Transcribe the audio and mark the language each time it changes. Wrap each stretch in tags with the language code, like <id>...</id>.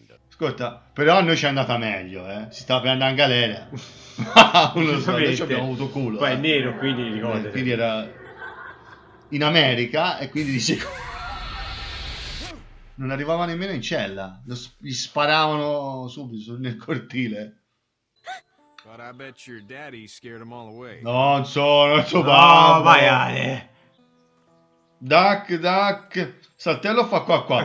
<it>Ascolta, però a noi ci è andata meglio, eh. Si stava per andare in galera. Non lo so, noi ci abbiamo avuto culo. Poi è nero, quindi ricordati. Quindi era in America e quindi dice non arrivava nemmeno in cella, gli sparavano subito nel cortile.</it> <en>But I bet your daddy scared them all away.</en> <it>Non so babbo. Vai Ale. Duck saltello fa qua qua.</it>